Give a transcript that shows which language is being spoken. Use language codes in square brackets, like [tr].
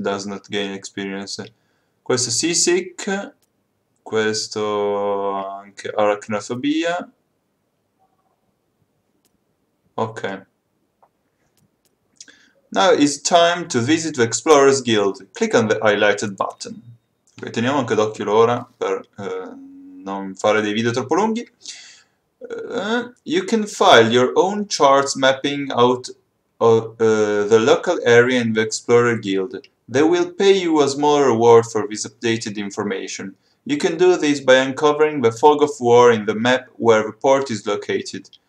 [en] Does not gain experience. [it] Questo [en] seasick. [it] Questo anche arachnofobia. Ok. [en] Now it's time to visit the Explorers Guild. Click on the highlighted button. [it] Okay, teniamo anche d'occhio l'ora per non fare dei video troppo lunghi. [en] You can file your own charts mapping out of the local area in the Explorer Guild. They will pay you a small reward for this updated information. You can do this by uncovering the fog of war in the map where the port is located.